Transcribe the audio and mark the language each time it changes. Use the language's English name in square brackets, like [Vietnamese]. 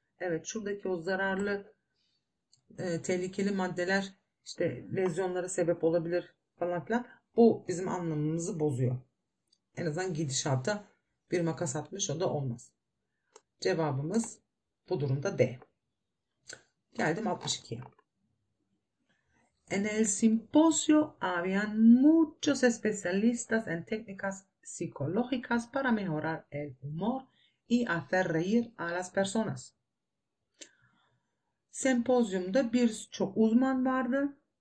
[Turkish] Evet, şuradaki o zararlı tehlikeli maddeler işte lezyonlara sebep olabilir falan filan. Bu bizim anlamımızı bozuyor. En azından gidişata bir makas atmış o da olmaz. Cevabımız bu durumda D. Geldim 62'ye. [Spanish] En el simposio habían muchos especialistas en técnicas psicológicas para mejorar el humor y hacer reír a las personas. [Turkish] Sempozyumda birçok uzman vardı.